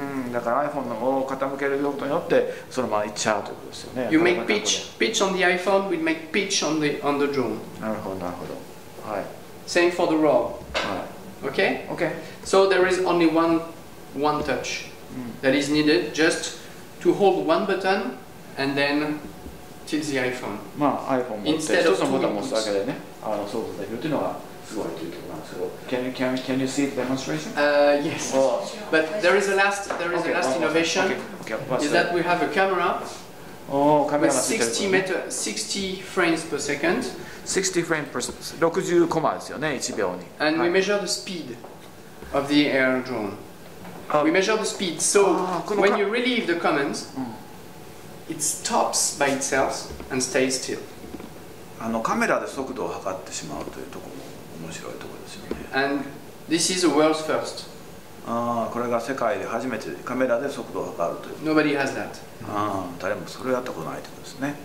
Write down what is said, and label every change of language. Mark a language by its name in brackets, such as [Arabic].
[Japanese] だから iPhone を傾けることによって、そのままいっちゃうということですよね。 [English] You make pitch on the iPhone, will make pitch on the drone. [Japanese] なるほど。はい。 [English] Same for the roll. [Japanese] はい。 [English] Okay. So there is only one touch that is needed, just... to hold one button and then tilt the iPhone. [Japanese] まあ iPhone 持って一つのボタンを押すだけでね、操作できるというのがすごいというところなんですけど。 [English] Can you see the demonstration? Yes. But there is a last innovation. Is that we have a camera. Oh, camera. With 60 frames per second. 60 frames per second. [Japanese] 60コマですよね、1秒に。 [English] And we measure the speed of the air drone. We measure the speed, so when you relieve the commands, it stops by itself and stays still. [Japanese] カメラで速度を測ってしまうというところも面白いところですよね。 [English] And this is a world's first. [Japanese] これが世界で初めてカメラで速度を測るという。 [English] Nobody has that. [Japanese] 誰もそれをやったことないということですね。